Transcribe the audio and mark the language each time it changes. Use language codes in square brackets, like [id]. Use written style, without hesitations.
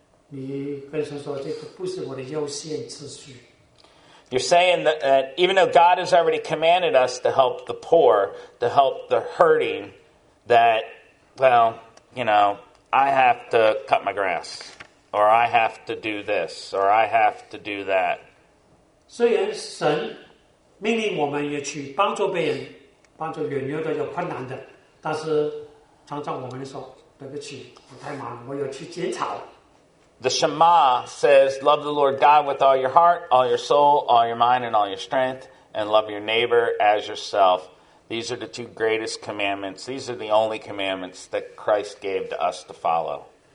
[en] You're saying that even though God has already commanded us to help the poor, to help the hurting, that, well, you know, I have to cut my grass, or I have to do this, or I have to do that. So, yes, [zh] 神命令我们也去帮助别人，帮助远远的有困难的，但是常常我们说，对不起，我太忙，我要去剪草。 [en] The Shema says, love the Lord God with all your heart, all your soul, all your mind, and all your strength, and love your neighbor as yourself. These are the two greatest commandments. These are the only commandments that Christ gave to us to follow.